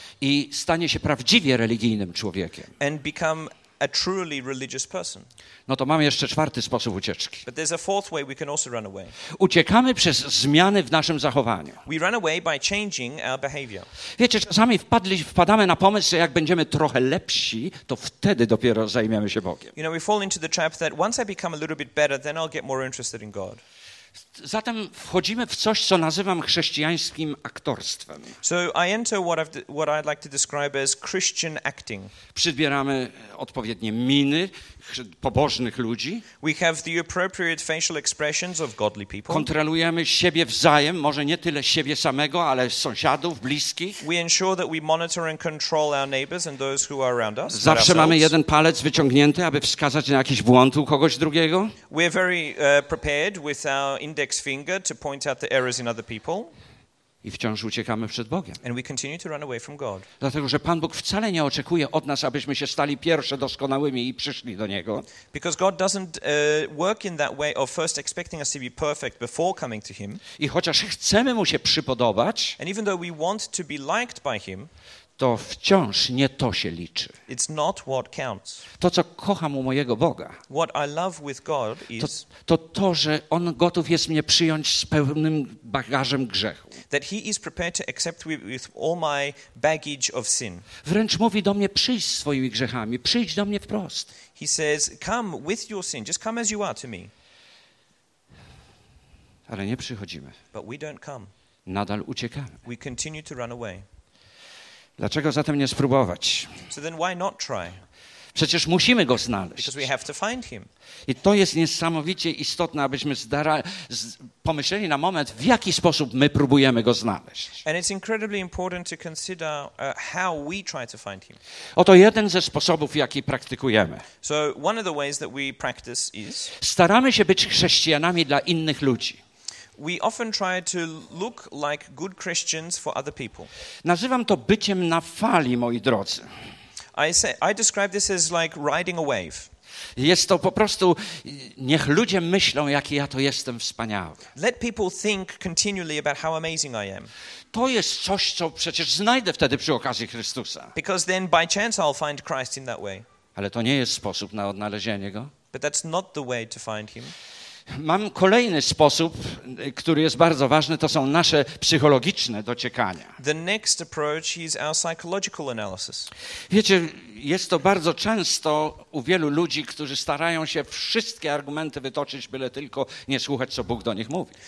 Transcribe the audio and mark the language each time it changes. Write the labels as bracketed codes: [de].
[pl] I stanie się prawdziwie religijnym człowiekiem. [en] And become a truly religious person. [pl] No to mamy jeszcze czwarty sposób ucieczki. [en] But there's a fourth way we can also run away. [pl] Uciekamy przez zmiany w naszym zachowaniu. [en] We run away by changing our behavior. [pl] Wiecie, czasami wpadamy na pomysł, że jak będziemy trochę lepsi, to wtedy dopiero zajmiemy się Bogiem. [en] You know, we fall into the trap that once I become a little bit better, then I'll get more interested in God. [pl] Zatem wchodzimy w coś, co nazywam chrześcijańskim aktorstwem. [en] So I enter what I'd like to describe as Christian acting. [pl] Przybieramy odpowiednie miny pobożnych ludzi. [en] We have the appropriate facial expressions of godly people. [pl] Kontrolujemy siebie wzajem, może nie tyle siebie samego, ale sąsiadów, bliskich. [en] We ensure that we monitor and control our neighbors and those who are around us. [pl] Zawsze mamy jeden palec wyciągnięty, aby wskazać na jakiś błąd u kogoś drugiego. [en] We're very prepared with our index finger to point out the errors in other people. [pl] I wciąż uciekamy przed Bogiem. [en] And we continue to run away from God. [pl] Dlatego, że Pan Bóg wcale nie oczekuje od nas, abyśmy się stali pierwsze doskonałymi i przyszli do Niego. [en] Because God doesn't work in that way of first expecting us to be perfect before coming to Him. [pl] I chociaż chcemy Mu się przypodobać, [en] and even though we want to be liked by Him, [pl] to wciąż nie to się liczy. [en] It's not what counts. [pl] To, co kocham u mojego Boga, [en] what I love with God is, [pl] to, że On gotów jest mnie przyjąć z pełnym bagażem grzechu. [en] That He is prepared to accept with all my baggage of sin. [pl] Wręcz mówi do mnie, przyjdź z swoimi grzechami, przyjdź do mnie wprost. [en] He says, come with your sin, just come as you are to me. [pl] Ale nie przychodzimy. [en] But we don't come. [pl] Nadal uciekamy. [en] We continue to run away. [pl] Dlaczego zatem nie spróbować? [en] So then why not try? [pl] Przecież musimy go znaleźć. [en] Because we have to find him. [pl] I to jest niesamowicie istotne, abyśmy pomyśleli na moment, w jaki sposób my próbujemy go znaleźć. [en] And it's incredibly important to consider how we try to find him. [pl] Oto jeden ze sposobów, jaki praktykujemy. [en] So one of the ways that we practice is, [pl] staramy się być chrześcijanami dla innych ludzi. [en] We often try to look like good Christians for other people. [pl] Nazywam to byciem na fali, moi drodzy. [en] I describe this as like riding a wave. [pl] Jest to po prostu, niech ludzie myślą, jaki ja to jestem wspaniały. [en] Let people think continually about how amazing I am. [pl] To jest coś, co przecież znajdę wtedy przy okazji Chrystusa. [en] Because then by chance I'll find Christ in that way. [pl] Ale to nie jest sposób na odnalezienie go. [en] But that's not the way to find him. [pl] Mam kolejny sposób, który jest bardzo ważny, to są nasze psychologiczne dociekania. [en] The next approach is our psychological analysis. [pl] Wiecie, jest to bardzo często u wielu ludzi, którzy starają się wszystkie argumenty wytoczyć, byle tylko nie słuchać, co Bóg do nich mówi.